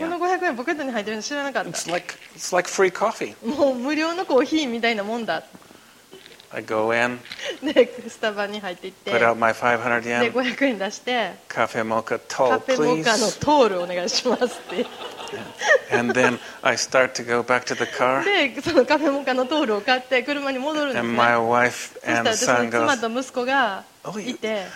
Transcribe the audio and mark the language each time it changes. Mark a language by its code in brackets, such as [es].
[ja] この500円ポケットに入ってるの知らなかった。 [en] It's like free coffee. [ja] もう無料のコーヒーみたいなもんだ。 [en] I go in. [ja] で、スタバに入って行って。 [en] Put out my 500 yen. [ja] で、500円出して。カフェモカトール、 [en] please. [ja] カフェモカのトールお願いしますって。 [en] And then I start to go back to the car. [ja] で、そのカフェモカのトールを買って車に戻るんですね。 [en] And my wife and son goes. [ja] そしたら私の妻と息子がいて。